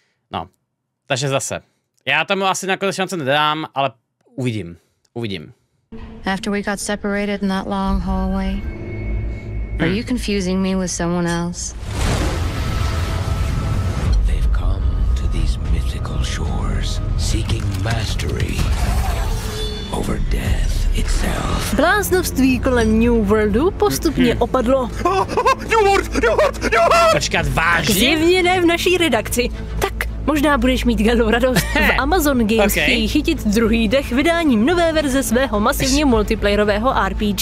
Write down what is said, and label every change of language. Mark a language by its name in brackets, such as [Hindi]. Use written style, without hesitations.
[Czech] No, takže zase. Já tomu asi nakonec šance nedám, ale uvidím. [English] After we got separated in that long hallway, are you confusing me with someone else? They've come to these mythical shores seeking mastery over death itself. [Czech] Bláznovství kolem New Worldu postupně opadlo. [English] New World! [Czech] Počkat, vážně? Zjevně ne v naší redakci. Tak. Možná budeš mít galou radost. V Amazon Games chtějí chytit druhý dech vydáním nové verze svého masivně multiplayerového RPG.